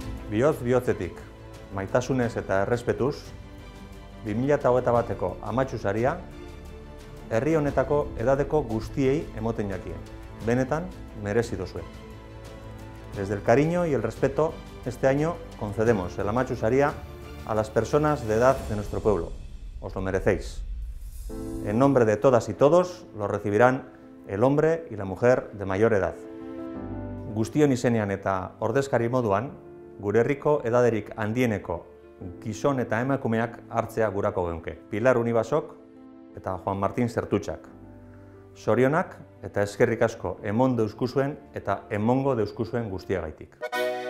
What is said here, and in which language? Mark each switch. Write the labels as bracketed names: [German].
[Basque] Bihotz bihotzetik, maitasunez eta errespetuz, 2021ko amatxusaria, herri honetako edadeko guztiei emoten jakien, benetan merezi duzue. [Spanish] Desde el cariño y el respeto, este año concedemos el amatxusaria a las personas de edad de nuestro pueblo. Os lo merecéis. En nombre de todas y todos, lo recibirán el hombre y la mujer de mayor edad. [Basque] Guztion izenean eta ordezkari moduan, gure herriko edaderik handieneko gizon eta emakumeak hartzea gurako geunke. Pilar Unibasok eta Juan Martín Zertutxak. Sorionak eta eskerrik asko emon deuzkuzuen eta emongo deuzkuzuen guztiagaitik.